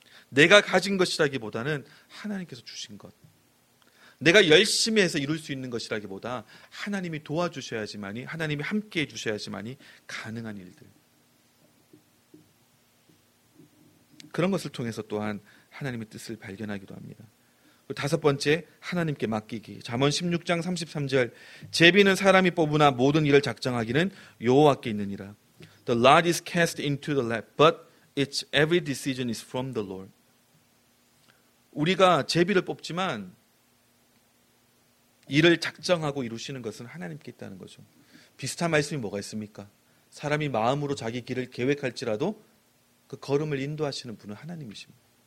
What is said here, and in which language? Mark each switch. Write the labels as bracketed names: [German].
[Korean] 내가 가진 것이라기보다는 하나님께서 주신 것. 내가 열심히 해서 이룰 수 있는 것이라기보다 하나님이 도와주셔야지만이 하나님이 함께 해주셔야지만이 가능한 일들. 그런 것을 통해서 또한 하나님의 뜻을 발견하기도 합니다. 다섯 번째, 하나님께 맡기기. 잠언 16장 33절 제비는 사람이 뽑으나 모든 일을 작정하기는 여호와께 있느니라. [English] The lot is cast into the lap, but its every decision is from the Lord. [Korean] 우리가 제비를 뽑지만 일을 작정하고 이루시는 것은 하나님께 있다는 거죠. 비슷한 말씀이 뭐가 있습니까? 사람이 마음으로 자기 길을 계획할지라도 그 걸음을 인도하시는 분은 하나님이십니다.